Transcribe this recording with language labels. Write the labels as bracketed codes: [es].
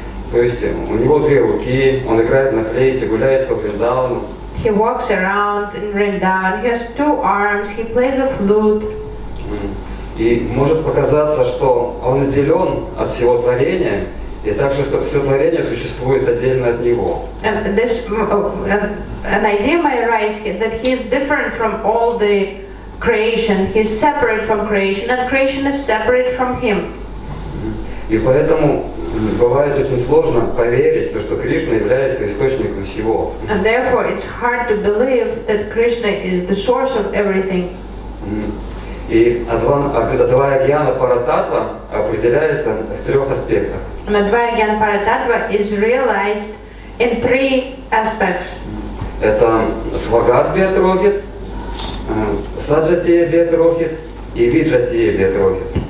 [ru] То есть у него две руки, он играет на флейте, гуляет по Вриндавану. [en] He walks around in Vrindavan. He has two arms. He plays a flute. [ru] И может показаться, что он отделен от всего творения, и также что все творение существует отдельно от него. [en] And this an idea may arise here that he is different from all the creation. He is separate from creation, and creation is separate from him. [ru] И поэтому бывает очень сложно поверить, то, что Кришна является источником всего. [en] And therefore it's hard to believe that Krishna is the source of everything. [ru] И Адвайя Гьяна Парататтва определяется в трех аспектах. [en] And Advaita Gyan Paratattva is realized in three aspects. [ru] Это Свагат Бетрохит, Саджатия Бетрохит и Виджатия Бетрохит.